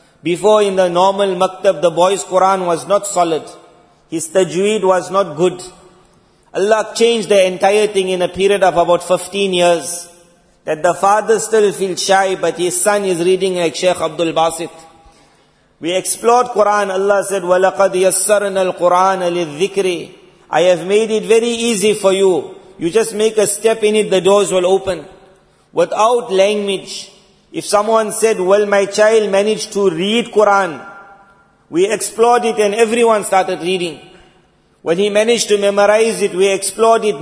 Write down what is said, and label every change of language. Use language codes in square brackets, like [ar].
[en] Before in the normal maktab, the boy's Quran was not solid. His tajweed was not good. Allah changed the entire thing in a period of about 15 years. That the father still feels shy, but his son is reading like Sheikh Abdul Basit. We explored Quran. Allah said, [ar] وَلَقَدْ يَسَّرْنَا الْقُرْآنَ لِلذِّكْرِ. [en] I have made it very easy for you. You just make a step in it, the doors will open. Without language, if someone said, will my child manage to read Quran? We explored it and everyone started reading. When he managed to memorize it, we explored it.